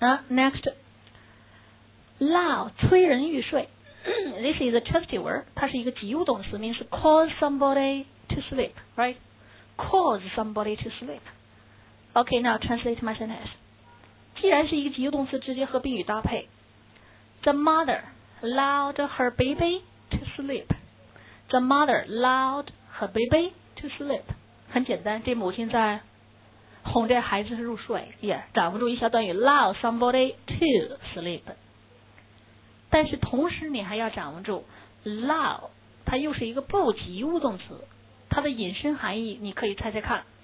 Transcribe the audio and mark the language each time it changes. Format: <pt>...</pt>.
<en>Next， lull，</en> <zh>催人欲睡。</zh> <en>This is a trusty word，</en> <zh>它是一个及物动词</zh> <en>，means cause somebody to sleep， right？ Cause somebody to sleep。 OK， now translate my sentence。</en> <zh>既然是一个及物动词，直接和宾语搭配。</zh> <en>The mother lulled her baby。 To sleep, the mother lulled her baby to sleep.</en> <zh>很简单，这母亲在哄着孩子入睡。</zh> <en>Yeah,</en> <zh>掌握住一小段语</zh> <en>lull somebody to sleep.</en> <zh>但是同时你还要掌握住 lull， 它又是一个不及物动词，它的引申含义你可以猜猜看。</zh>